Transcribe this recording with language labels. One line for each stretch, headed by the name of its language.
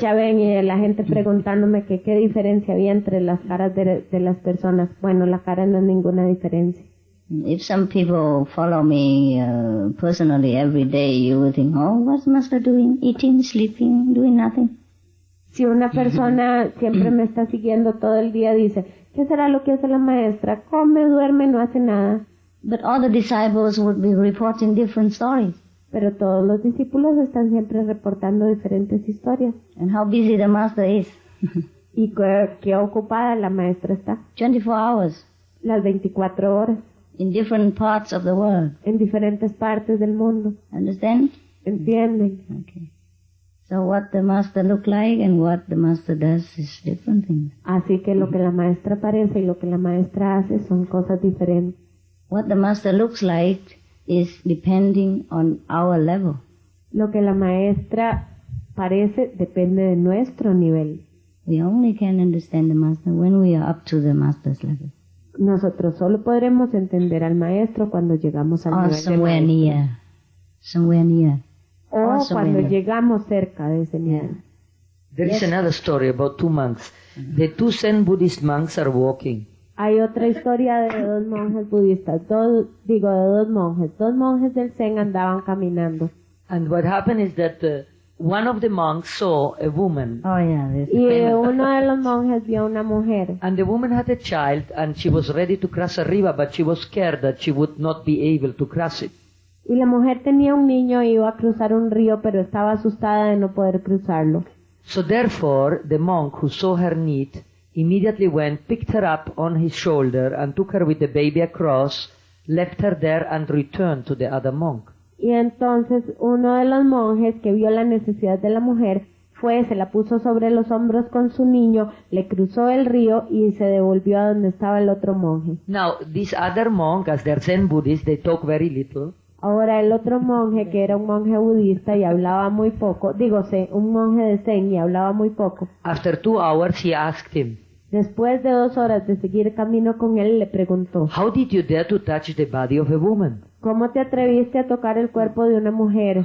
Spanish: Ya ven, y la gente preguntándome que qué diferencia había entre las caras de las personas. Bueno, la cara no es ninguna diferencia.
English: If some people follow me personally every day, you would think, oh, what's Master doing? Eating, sleeping, doing nothing.
Spanish: Si una persona siempre me está siguiendo todo el día, dice, ¿qué será lo que hace la maestra? Come, duerme, no hace nada.
English: But all the disciples would be reporting different stories.
Spanish: Pero todos los discípulos están siempre reportando diferentes historias.
English: And how busy the master is.
Spanish: Y qué ocupada la maestra está.
English: 24 hours.
Spanish: Las 24 horas.
English: In different parts of the world.
Spanish: En diferentes partes del mundo.
English: Understand?
Spanish: Entienden.
English: Okay. So what the master look like and what the master does is different things.
Spanish: Así que lo que la maestra parece y lo que la maestra hace son cosas diferentes.
English: What the master looks like is depending on our level.
Spanish: Lo que la maestra parece depende de nuestro nivel.
English: We only can understand the master when we are up to the master's level.
Spanish: Nosotros solo podremos entender al maestro cuando llegamos al nivel
English: somewhere
Spanish: de maestro.
English: Near. Somewhere near.
Spanish: O cuando llegamos cerca de ese nivel.
English: Yeah. There is another story about two monks. The two Zen Buddhist monks are walking.
Spanish: Hay otra historia de dos monjes budistas. Dos monjes del Zen andaban caminando.
English: And what happened is that one of the monks saw a woman. Oh yeah, this.
Spanish: Y uno de los monjes vio una mujer.
English: And the woman had a child, and she was ready to cross a river, but she was scared that she would not be able to cross it.
Spanish: Y la mujer tenía un niño y iba a cruzar un río, pero estaba asustada de no poder cruzarlo.
English: So therefore, the monk who saw her need immediately went, picked her up on his shoulder, and took her with the baby across, left her there, and returned to the other monk.
Spanish: Y entonces uno de los monjes que vio la necesidad de la mujer fue, se la puso sobre los hombros con su niño, le cruzó el río y se devolvió a donde estaba el otro monje.
English: Now, this other monk, as they're Zen Buddhists, they talk very little.
Spanish: Ahora el otro monje, que era un monje budista y hablaba muy poco, digo, un monje de Zen y hablaba muy poco.
English: After 2 hours, he asked him.
Spanish: Después de 2 horas de seguir camino con él, le preguntó.
English: How did you dare to touch the body of a woman?
Spanish: ¿Cómo te atreviste a tocar el cuerpo de una mujer?